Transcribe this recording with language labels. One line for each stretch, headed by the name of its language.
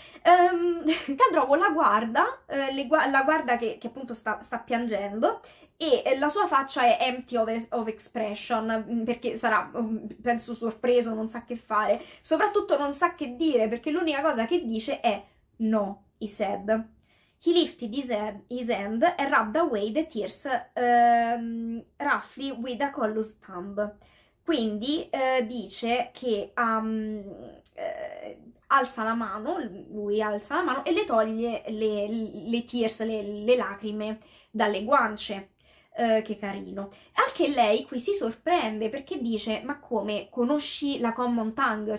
Italian: Khal Drogo la guarda, la guarda che appunto sta piangendo e la sua faccia è
English: empty of expression,
Italian: perché sarà, penso, sorpreso, non sa che fare, soprattutto non sa che dire, perché l'unica cosa che dice è
English: no, he said. He lifted his hand and rubbed away the tears roughly with a callous thumb.
Italian: Quindi dice che alza la mano, lui alza la mano e le toglie le tears, le lacrime dalle guance. Che carino. Al che lei qui si sorprende perché dice: ma come conosci la common tongue?